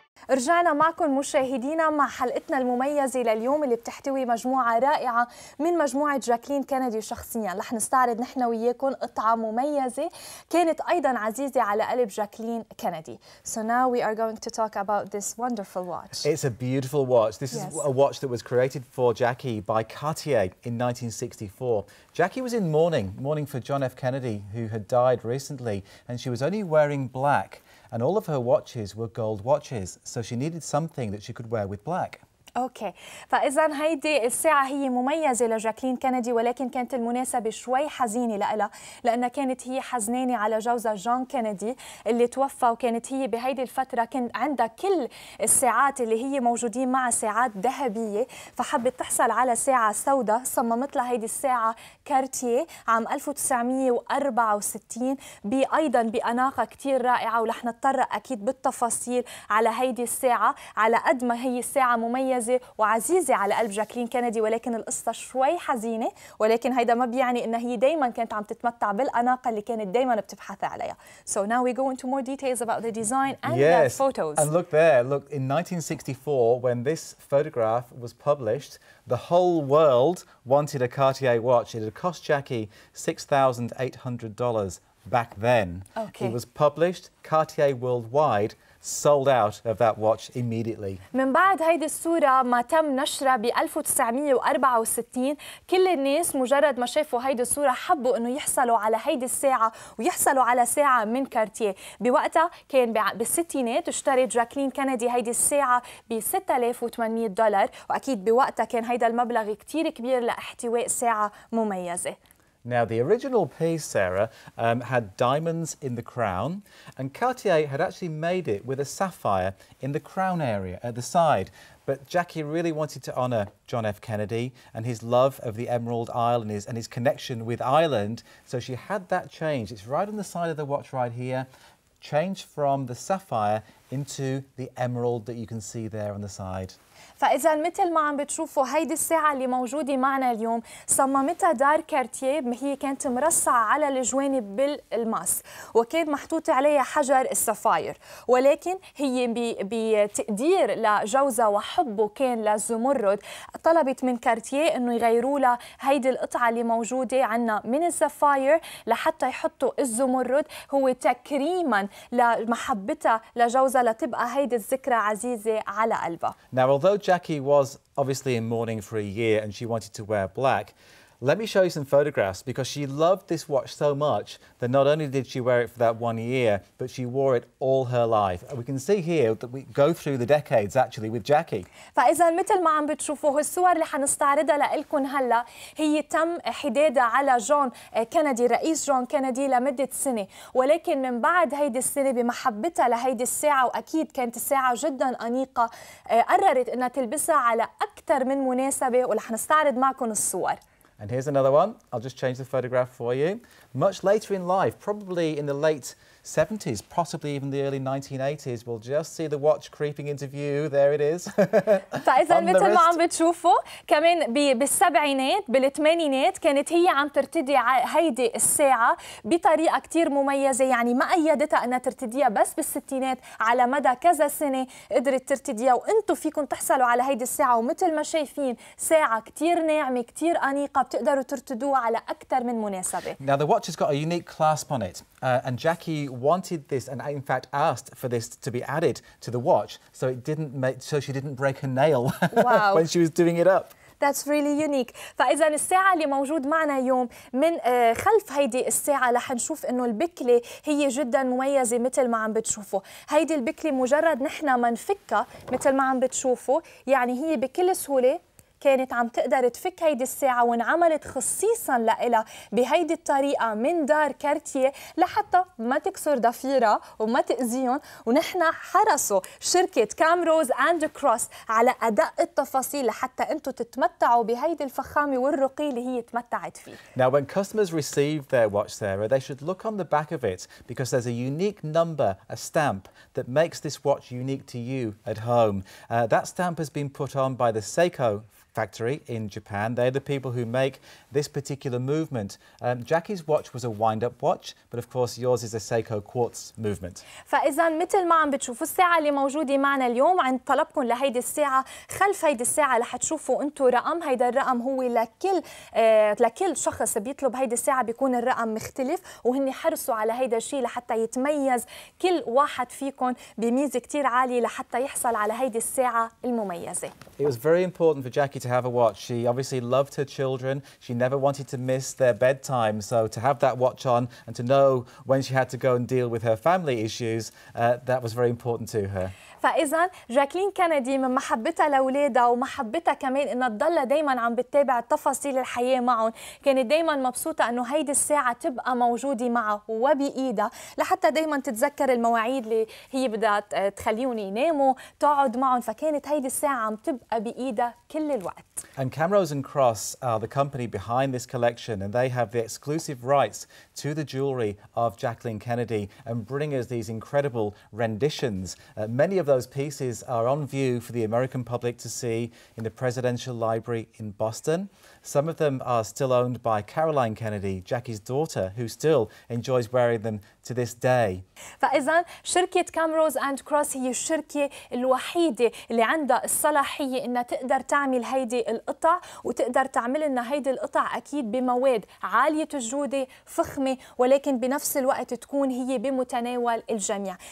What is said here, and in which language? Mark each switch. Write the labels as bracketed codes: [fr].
[ar] رجعنا معكم مشاهدينا مع حلقتنا المميزة لليوم اللي بتحتوي مجموعة رائعة من مجموعة جاكلين كينيدي شخصيا. رح نستعرض نحن وياكم قطعة مميزة كانت أيضا عزيزة على قلب جاكلين كينيدي. [en] So now we are going to talk about this wonderful watch. It's a beautiful watch. This is a watch that was created for Jackie by Cartier in 1964. Jackie was in mourning for John F. Kennedy, who had died recently, and she was only wearing black, and all of her watches were gold watches, so she needed something that she could wear with black. [ar] اوكي، فإذا هيدي الساعة هي مميزة لجاكلين كينيدي، ولكن كانت المناسبة شوي حزينة لإلها، لأنها كانت هي حزنانة على جوزها جون كينيدي اللي توفى، وكانت هي بهيدي الفترة كان عندها كل الساعات اللي هي موجودين معها ساعات ذهبية، فحبت تحصل على ساعة سوداء، صممت لها هيدي الساعة كارتييه عام 1964، بأيضا بأناقة كثير رائعة، ورح نتطرق أكيد بالتفاصيل على هيدي الساعة، على قد ما هي الساعة مميزة وعزيزة على قلب جاكلين كينيدي، ولكن القصة شوي حزينة، ولكن هيدا ما بيعني إن هي دايما كانت عم تتمتع بالأناقة اللي كانت دايما بتبحث عليها. [en] So now we go into more details about the design and yes. the photos. And look there, look, in 1964 when this photograph was published, the whole world wanted a Cartier watch. It had cost Jackie $6,800 back then. Okay. It was published, Cartier worldwide sold out of that watch immediately. [ar] من بعد هيدي الصورة ما تم نشرها ب 1964، كل الناس مجرد ما شافوا هيدي الصورة حبوا إنه يحصلوا على هيدي الساعة ويحصلوا على ساعة من كارتييه. بوقتها كان بالستينات اشترت جاكلين كينيدي هيدي الساعة ب $6,800، وأكيد بوقتها كان هيدا المبلغ كتير كبير لاحتواء ساعة مميزة. [en] Now, the original piece, Sarah, had diamonds in the crown, and Cartier had actually made it with a sapphire in the crown area at the side. But Jackie really wanted to honour John F. Kennedy and his love of the Emerald Isle and his connection with Ireland, so she had that changed. It's right on the side of the watch right here, changed from the sapphire into the emerald that you can see there on the side. [ar] فإذا مثل ما عم بتشوفوا هيدي الساعة اللي موجودة معنا اليوم صممتها دار كارتييه، هي كانت مرصعة على الجوانب بالماس، وكان محطوط عليها حجر السفاير، ولكن هي بتقدير لجوزها وحبه كان للزمرد طلبت من كارتييه إنه يغيروا لها هيدي القطعة اللي موجودة عنا من السفاير لحتى يحطوا الزمرد، هو تكريما لمحبتها لجوزها لتبقى هيدي الذكرى عزيزة على قلبها. [en] Jackie was obviously in mourning for a year and she wanted to wear black. Let me show you some photographs because she loved this watch so much that not only did she wear it for that 1 year, but she wore it all her life. And we can see here that we go through the decades actually with Jackie. [ar] فإذا مثل ما عم بتشوفوا هالصور اللي حنستعرضها لكم هلا هي تم حدادها على جون كينيدي، رئيس جون كينيدي لمدة سنة، ولكن من بعد هيدي السنة بمحبتها لهيدي الساعة، وأكيد كانت الساعة جدا أنيقة، قررت إنها تلبسها على أكثر من مناسبة، ورح نستعرض معكم الصور. [en] And here's another one. I'll just change the photograph for you. Much later in life, probably in the late 70s, possibly even the early 1980s, we'll just see the watch creeping into view. There it is. [ar] فإذا مثل ما عم بتشوفوا كمان بالسبعينات بالثمانينات كانت هي عم ترتدي هيدي الساعة بطريقة كتير مميزة، يعني ما أيدتها أنها ترتديها بس بالستينات، على مدى كذا سنة قدرت ترتديها، وأنتوا فيكم تحصلوا على هيدي الساعة، ومثل ما شايفين ساعة كتير ناعمة كتير أنيقة، بتقدروا ترتدوها على أكثر من مناسبة. [en] Now the watch has got a unique clasp on it, and Jackie wanted this and in fact asked for this to be added to the watch so it didn't make so she didn't break her nail when she was doing it up. That's really unique. [ar] فإذا الساعة اللي موجود معنا اليوم من خلف هيدي الساعة رح نشوف إنه البكلة هي جدا مميزة مثل ما عم بتشوفوا، هيدي البكلة مجرد نحن ما نفكها مثل ما عم بتشوفوا يعني هي بكل سهولة كانت عم تقدر تفك هيدي الساعة، وانعملت خصيصا لإلها بهيدي الطريقة من دار كارتييه لحتى ما تكسر ضفيرها وما تأذيهم، ونحن حرصوا شركة كامروز اند كروس على أدق التفاصيل لحتى أنتوا تتمتعوا بهيدي الفخامة والرقي اللي هي تمتعت فيه. [en] Now when customers receive their watch, Sarah, they should look on the back of it because there's a unique number, a stamp that makes this watch unique to you at home. That stamp has been put on by the Seiko factory in Japan. They're the people who make this particular movement. Jackie's watch was a wind-up watch, but of course yours is a Seiko quartz movement. [ar] فإذا مثل ما عم بتشوفوا الساعة اللي موجودة معنا اليوم عند طلبكم لهيدي الساعة خلف هيدي الساعة رح تشوفوا انتم رقم هيدا الرقم هو لكل شخص بيطلب هيدي الساعة بيكون الرقم مختلف وهن حرصوا على هيدا الشيء لحتى يتميز كل واحد فيكم بميزة كتير عالية لحتى يحصل على هيدي الساعة المميزة. [en] It was very important for Jackie to have a watch. She obviously loved her children. She never wanted to miss their bedtime. So to have that watch on and to know when she had to go and deal with her family issues, that was very important to her. [ar] فإذا جاكلين كينيدي من محبتها لأولادها ومحبتها كمان إنها تضل دايما عم بتتابع تفاصيل الحياة معهم كانت دايما مبسوطة إنه هيدي الساعة تبقى موجودة معها وبإيدها لحتى دايما تتذكر المواعيد اللي هي بدها تخليهم يناموا تقعد معهم فكانت هيدي الساعة عم تبقى بإيدها كل الوقت. [en] And Camrose and Cross are the company behind this collection and they have the exclusive rights to the jewelry of Jacqueline Kennedy and bring us these incredible renditions. Many of those pieces are on view for the American public to see in the Presidential Library in Boston. Some of them are still owned by Caroline Kennedy, Jackie's daughter, who still enjoys wearing them to this day. [ar] فإذا شركة كامروز أند كروس هي الشركة الوحيدة اللي عندها الصلاحية إنها تقدر تعمل هيدي القطع وتقدر تعمل لنا هيدي القطع أكيد بمواد عالية الجودة فخمة ولكن بنفس الوقت تكون هي بمتناول الجميع.